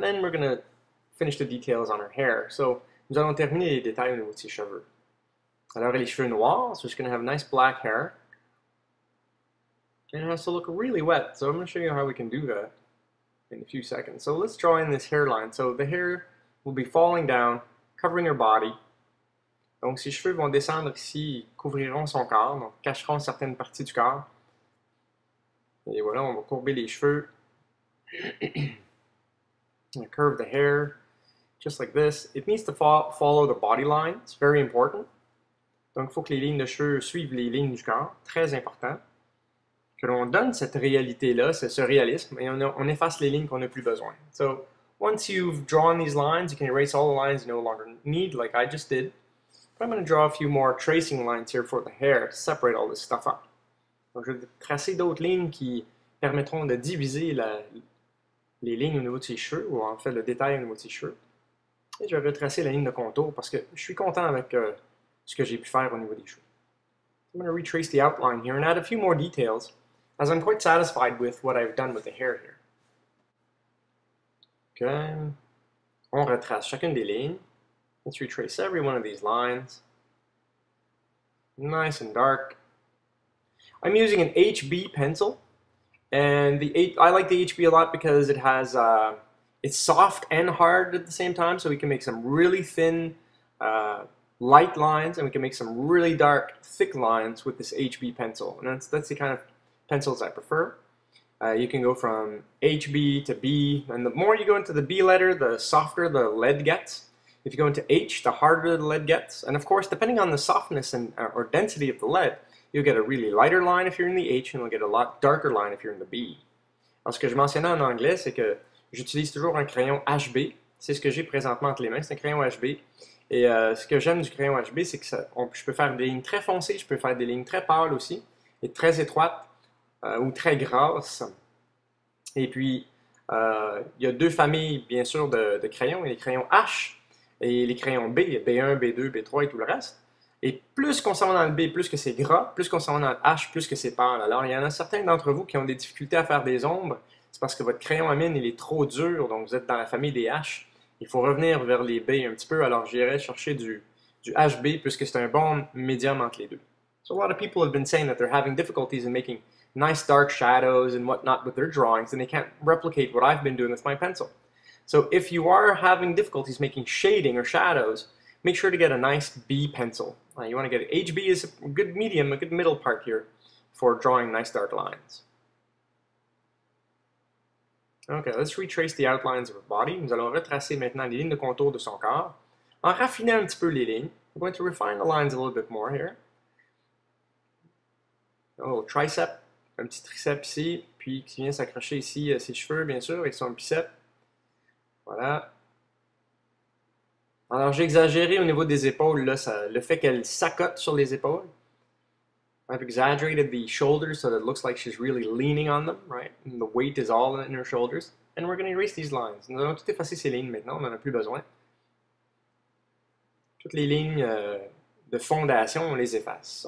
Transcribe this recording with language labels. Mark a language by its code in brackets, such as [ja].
[en] Then we're going to finish the details on her hair. [fr] So, nous allons terminer les détails au niveau de ses cheveux. Alors, elle a les cheveux noirs. [en] So, she's going to have nice black hair. And it has to look really wet. So, I'm going to show you how we can do that in a few seconds. So, let's draw in this hairline. So, the hair will be falling down, covering her body. [fr] Donc, ses cheveux vont descendre ici, couvriront son corps, donc cacheront certaines parties du corps. Et voilà, on va courber les cheveux. [en] And curve the hair, just like this. It needs to follow the body line, it's very important. [fr] Donc, il faut que les lignes de cheveux suivent les lignes du corps, très important. Que l'on donne cette réalité-là, ce réalisme, et on efface les lignes qu'on n'a plus besoin. [en] So, once you've drawn these lines, you can erase all the lines you no longer need, like I just did. I'm going to draw a few more tracing lines here for the hair to separate all this stuff up. [fr] Donc, je vais tracer d'autres lignes qui permettront de diviser les lignes au niveau de ses cheveux, ou en fait le détail au niveau de ses cheveux. Et je vais retracer la ligne de contour parce que je suis content avec ce que j'ai pu faire au niveau des cheveux. [en] I'm going to retrace the outline here and add a few more details, as I'm quite satisfied with what I've done with the hair here. Okay. [fr] On retrace chacune des lignes. [en] Let's retrace every one of these lines. Nice and dark. I'm using an HB pencil. And I like the HB a lot because it has It's soft and hard at the same time, so we can make some really thin light lines, and we can make some really dark thick lines with this HB pencil. And that's the kind of pencils I prefer. You can go from HB to B, and the more you go into the B letter, the softer the lead gets. If you go into H, the harder the lead gets. And of course, depending on the softness and or density of the lead, you'll get a really lighter line if you're in the H, and you'll get a lot darker line if you're in the B. [fr] Alors, ce que je mentionnais en anglais, c'est que j'utilise toujours un crayon HB. C'est ce que j'ai présentement entre les mains, c'est un crayon HB. Et ce que j'aime du crayon HB, c'est que je peux faire des lignes très foncées, je peux faire des lignes très pâles aussi, et très étroites, ou très grasses. Et puis, il y a deux familles, bien sûr, de crayons. Il y a les crayons H et les crayons B, B1, B2, B3 et tout le reste. Et plus qu'on s'en va dans le B, plus que c'est gras, plus qu'on s'en va dans le H, plus que c'est pâle. Alors, il y en a certains d'entre vous qui ont des difficultés à faire des ombres. C'est parce que votre crayon à mine, il est trop dur, donc vous êtes dans la famille des H. Il faut revenir vers les B un petit peu, alors j'irai chercher du HB, puisque c'est un bon médium entre les deux. [en] So a lot of people have been saying that they're having difficulties in making nice dark shadows and whatnot with their drawings, and they can't replicate what I've been doing with my pencil. So if you are having difficulties making shading or shadows, make sure to get a nice B pencil. You want to get HB is a good medium, a good middle part here for drawing nice dark lines. Okay, let's retrace the outlines of our body. [fr] Nous allons retracer maintenant les lignes de contour de son corps. En raffinant un petit peu les lignes, [en] we're going to refine the lines a little bit more here. A little tricep, [fr] un petit tricep ici, puis qui vient s'accrocher ici à ses cheveux, bien sûr, et son bicep. Voilà. Alors, j'ai exagéré au niveau des épaules, là, ça, le fait qu'elle s'accote sur les épaules. [en] I've exaggerated the shoulders so that it looks like she's really leaning on them, right? And the weight is all in her shoulders. And we're going to erase these lines. [fr] Nous allons tout effacer ces lignes maintenant, on n'en a plus besoin. Toutes les lignes de fondation, on les efface.